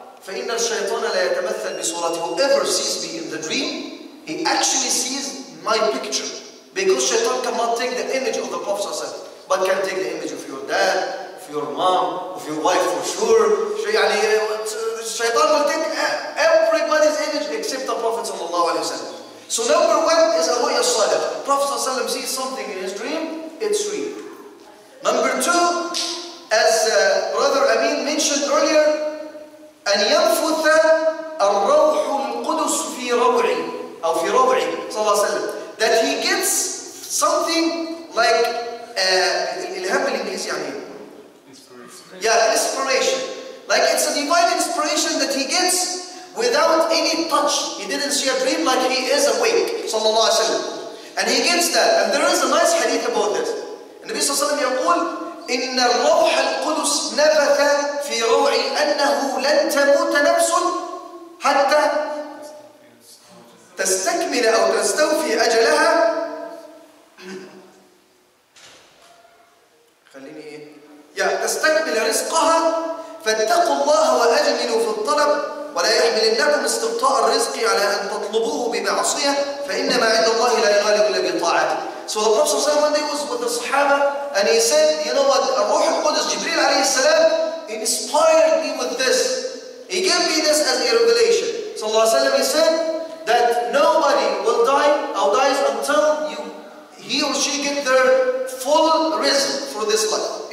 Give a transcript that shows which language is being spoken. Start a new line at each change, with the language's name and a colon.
Arabic: فإن الشيطان لا يتمثل بصورته.
English: Whoever sees me in the dream, he actually sees my picture. Because shaitan cannot take the image of the Prophet, but can take the image of your dad, of your mom, of your wife for sure. Shaitan will take everybody's image except the Prophet. So number one is a ruya salat. Prophet sees something in his dream, it's real. Number two, as Brother Amin mentioned earlier,
Arabic: أن ينفث الروح القدس في روعه أو في روعه صلى الله عليه وسلم.
English: That he gets something like
Arabic: الإلهام بالإنجليزي يعني
English: inspiration. Yeah, inspiration. Like it's a divine inspiration that he gets without any touch. He didn't see a dream, like he is awake
Arabic: صلى الله عليه وسلم.
English: And he gets that. And there is a nice hadith about this.
Arabic: النبي صلى الله عليه وسلم يقول إن الروح القدس نفث في روعي أنه لن تموت نفس حتى تستكمل أو تستوفي أجلها. خليني إيه؟ تستكمل رزقها. فاتقوا الله وأجملوا في الطلب ولا يحملنكم استبطاء الرزق على أن تطلبوه بمعصية فإنما عند الله لا يغالب إلا بطاعته.
English: So the Prophet ﷺ, when he was with the Sahaba, and he said, you know what, Ruh al-Qudus, Jibreel alayhi salam, inspired me with this. He gave me this as a revelation. So Allah ﷺ, he said that nobody will die or dies until you, he or she get their full risk for this life.